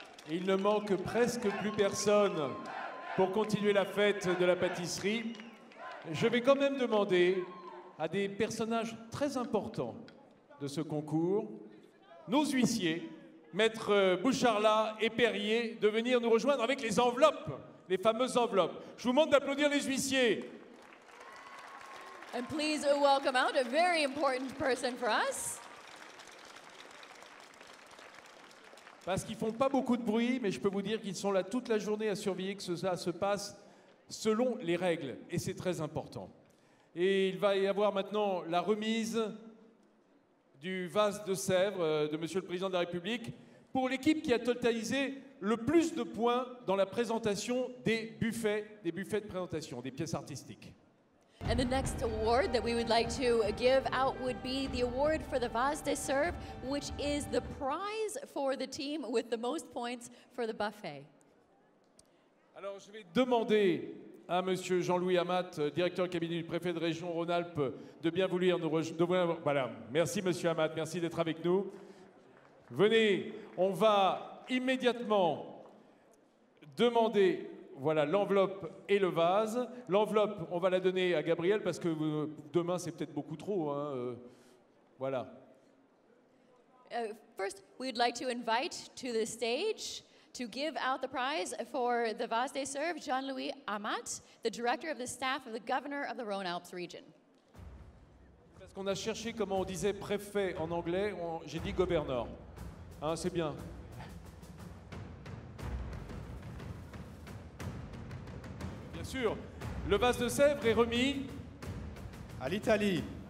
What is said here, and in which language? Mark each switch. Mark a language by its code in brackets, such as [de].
[fr] Il ne manque presque plus personne pour continuer la fête de la pâtisserie. Je vais quand même demander à des personnages très importants de ce concours, nos huissiers, Maître Boucharla et Perrier, de venir nous rejoindre avec les enveloppes, les fameuses enveloppes. Je vous demande d'applaudir les huissiers. [en] And please welcome out a very important person for us. [fr] Parce qu'ils ne font pas beaucoup de bruit, mais je peux vous dire qu'ils sont là toute la journée à surveiller que cela se passe selon les règles. Et c'est très important. Et il va y avoir maintenant la remise du vase de Sèvres de M. le Président de la République pour l'équipe qui a totalisé le plus de points dans la présentation des buffets de présentation, des pièces artistiques. [en] And the next award that we would like to give out would be the award for the vase de Sèvres, which is the prize for the team with the most points for the buffet. [fr] Alors, je vais demander à monsieur Jean-Louis Amat, directeur de cabinet du préfet de région Rhône-Alpes, de bien vouloir nous rejoindre. Voilà. Merci monsieur Amat, merci d'être avec nous. Venez, on va immédiatement demander voilà, l'enveloppe et le vase. L'enveloppe, on va la donner à Gabriel parce que demain, c'est peut-être beaucoup trop. Hein. Voilà. [en] First, we'd like to invite to the stage to give out the prize for the vase de Sèvres, Jean-Louis Amat, the director of the staff of the governor of the Rhône-Alpes region. [fr] Parce qu'on a cherché, comment on disait, préfet en anglais, j'ai dit governor. Hein, c'est bien. Sûr. Le vase de Sèvres est remis à l'Italie.